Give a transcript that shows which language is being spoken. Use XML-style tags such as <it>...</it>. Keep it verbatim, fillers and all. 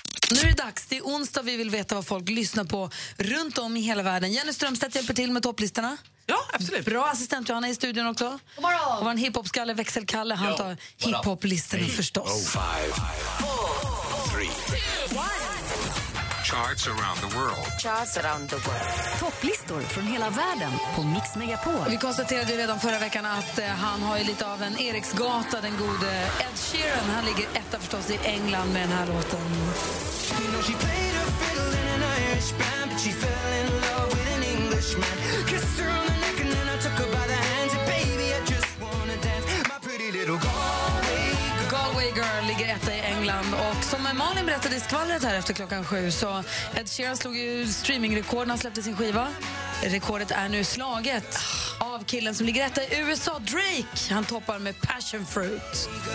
<sv>Nu är det dags, det är onsdag, vi vill veta vad folk lyssnar på runt om i hela världen. Jenny Strömstedt hjälper till med topplistorna. Ja, absolut. Bra assistent Johanna i studion också. God morgon. Och vår hiphopskalle Växelkalle, han tar hiphoplistorna förstås.</sv> <en>Charts around the world. Charts around the world.</en> <sv>Topplistor från hela världen på Mix Megapol. Vi konstaterade ju redan förra veckan att eh, han har ju lite av en Eriksgata, den gode Ed Sheeran. Han ligger etta förstås i England med den här låten.</sv> <en>You know she played a fiddle in an Irish band, but she fell in love with an Englishman. Kissed her on the neck and then I took her by the hands. And baby, I just wanna dance. My pretty little Galway girl.</en> <sv>Galway girl ligger etta i England. Och som Malin berättade i skvallret här efter klockan sju så Ed Sheeran slog ju streamingrekord när han släppte sin skiva. Rekordet är nu slaget av killen som ligger rätta i U S A, Drake. Han toppar med Passion Fruit.</sv>